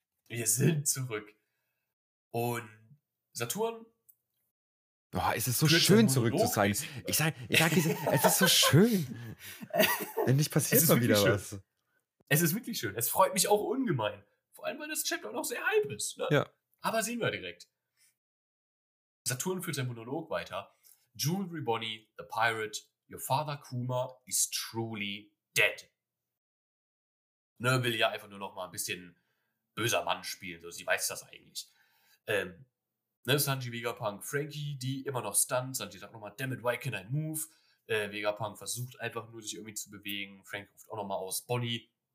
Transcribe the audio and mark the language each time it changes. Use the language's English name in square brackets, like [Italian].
[German] Wir sind zurück. Und Saturn. Boah, es ist so schön, zurück zu sein. Ich sag, es ist so schön. Endlich passiert mal wieder was. Es ist wirklich schön. Es freut mich auch ungemein. Vor allem, weil das Chapter noch sehr hype ist. Ne? Ja. Aber sehen wir direkt. Saturn führt seinen Monolog weiter. [English] Jewelry Bonnie, the Pirate, your father Kuma is truly dead. [German] Ne, will ja einfach nur noch mal ein bisschen böser Mann spielen. So, sie weiß das eigentlich. Sanji, Vegapunk, Frankie, die immer noch stunt. Sanji sagt nochmal, [English] damn it, why can I move? [German] Vegapunk versucht einfach nur, sich irgendwie zu bewegen. Frank ruft auch nochmal aus, Bonnie.